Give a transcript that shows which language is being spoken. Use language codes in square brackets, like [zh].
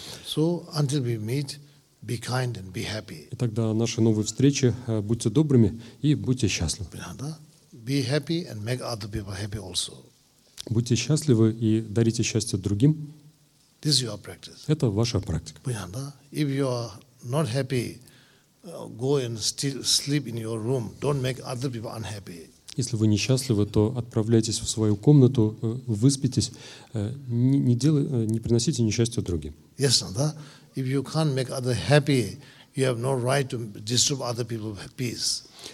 [en] So, until we meet, be kind and be happy. [ru] И тогда наши новые встречи, будьте добрыми и будьте счастливы. [en] Be happy and make other people happy also. [ru] Будьте счастливы и дарите счастье другим. [en] This is your practice. [ru] Это ваша практика. Понятно? [en] If you are not happy, go and sleep in your room. Don't make other people unhappy. [ru] Если вы несчастливы, то отправляйтесь в свою комнату, выспитесь, не приносите несчастья другим. [en] Yes, [ru] да? [en] If you can't make other happy, you have no right to disturb other people's peace.